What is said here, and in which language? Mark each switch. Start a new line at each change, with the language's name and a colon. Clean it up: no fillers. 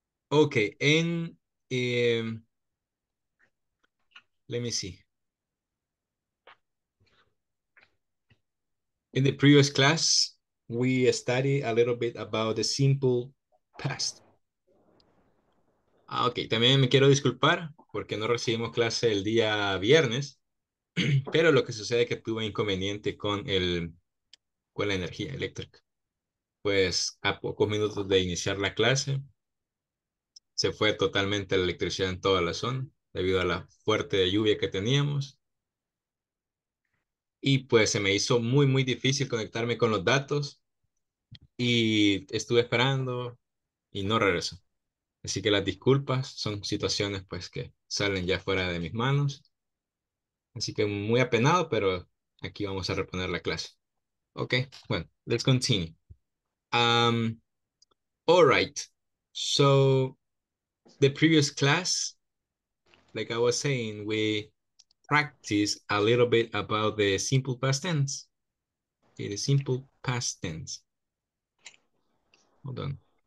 English: Okay, and let me see. In the previous class, we studied a little bit about the simple past.
Spanish: Okay, también me quiero disculpar porque no recibimos clase el día viernes, pero lo que sucede es que tuve inconveniente con la energía eléctrica. Pues a pocos minutos de iniciar la clase, se fue totalmente la electricidad en toda la zona debido a la fuerte lluvia que teníamos. Y pues se me hizo muy, muy difícil conectarme con los datos y estuve esperando y no regresó. Así que las disculpas son situaciones pues que salen ya fuera de mis manos. Así que muy apenado, pero aquí vamos a reponer la clase.
English: Okay, well, let's continue. All right, so the previous class, like I was saying, we practiced a little bit about the simple past tense. Okay, the simple past tense. Hold on.